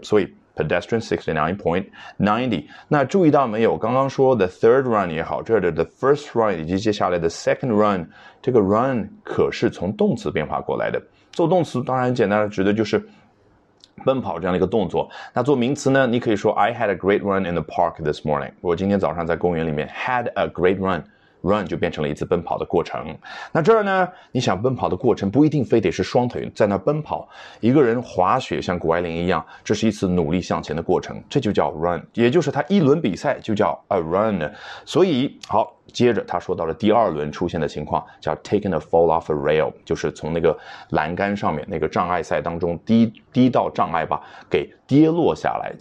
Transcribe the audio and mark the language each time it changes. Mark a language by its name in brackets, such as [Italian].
[Chinese] 所以Pedestrian 69.90. 那注意到没有，刚刚说 the third run 也好，这儿的 the first run 以及接下来的 second run， 这个 run 可是从动词变化过来的。做动词当然简单的指的就是奔跑这样的一个动作。那做名词呢，你可以说 [English] I had a great run in the park this morning， [Chinese] 我今天早上在公园里面 [English] had a great run。 [Chinese] Run 就变成了一次奔跑的过程。那这儿呢，你想奔跑的过程不一定非得是双腿在那奔跑，一个人滑雪像谷爱凌一样，这是一次努力向前的过程，这就叫 run， 也就是他一轮比赛就叫 a run。所以好，接着他说到了第二轮出现的情况叫 [English] taken a fall off a rail， [Chinese] 就是从那个栏杆上面那个障碍赛当中第一道障碍吧给跌落下来。